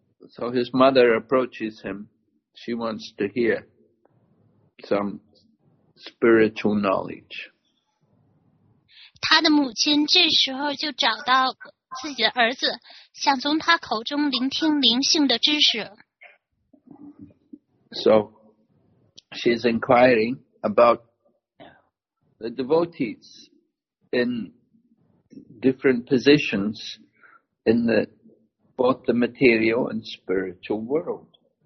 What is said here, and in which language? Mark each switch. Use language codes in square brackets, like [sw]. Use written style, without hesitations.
[en] So his mother approaches him. She wants to hear some spiritual knowledge. [zh] 他的母亲这时候就找到自己的儿子, 想从他口中聆听灵性的知识。 [en] So she's inquiring about the devotees in different positions in the both the material and spiritual world.